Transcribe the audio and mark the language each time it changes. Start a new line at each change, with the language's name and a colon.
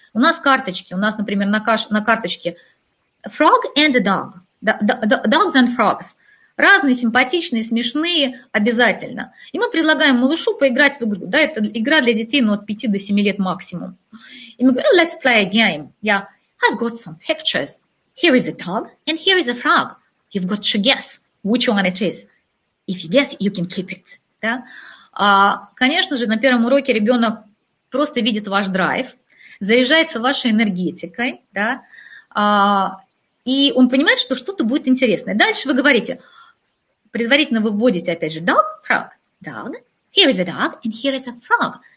Russian: У нас карточки, у нас, например, на карточке
English: frog and a dog, dogs and frogs.
Russian: Разные, симпатичные, смешные, обязательно. И мы предлагаем малышу поиграть в игру. Да, это игра для детей, ну, от 5 до 7 лет максимум. И мы говорим,
English: let's play a game. Yeah, I've got some pictures. Here is a dog and here is a frog. You've got to guess which one it is. If you guess, you can keep it.
Russian: Да? Конечно же, на первом уроке ребенок просто видит ваш драйв, заряжается вашей энергетикой, да, и он понимает, что что-то будет интересное. Дальше вы говорите, предварительно вы вводите, опять же,
English: dog, frog, dog, here is a dog, and here is a frog.